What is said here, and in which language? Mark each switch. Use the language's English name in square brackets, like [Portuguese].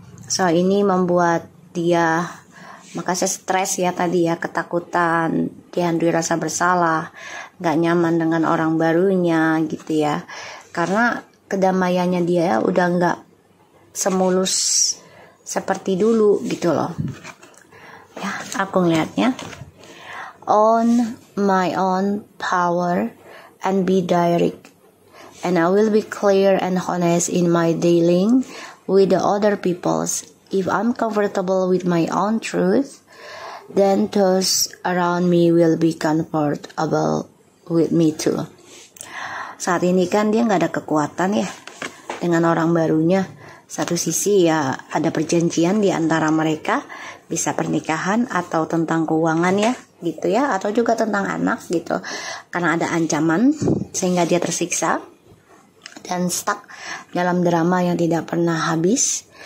[Indonesian] So ini membuat dia, makanya stres ya tadi ya, ketakutan, dia dirasa bersalah, gak nyaman dengan orang barunya gitu ya, karena kedamaiannya dia ya udah gak semulus seperti dulu gitu loh ya. Aku ngeliatnya [English] on my own power and be direct, and I will be clear and honest in my dealing with the other peoples. If I'm comfortable with my own truth, then those around me will be comfortable with me too. [Indonesian] Saat ini kan dia gak ada kekuatan ya dengan orang barunya. Satu sisi ya ada perjanjian di antara mereka, bisa pernikahan atau tentang keuangan ya gitu ya, atau juga tentang anak gitu, karena ada ancaman sehingga dia tersiksa dan stuck dalam drama yang tidak pernah habis.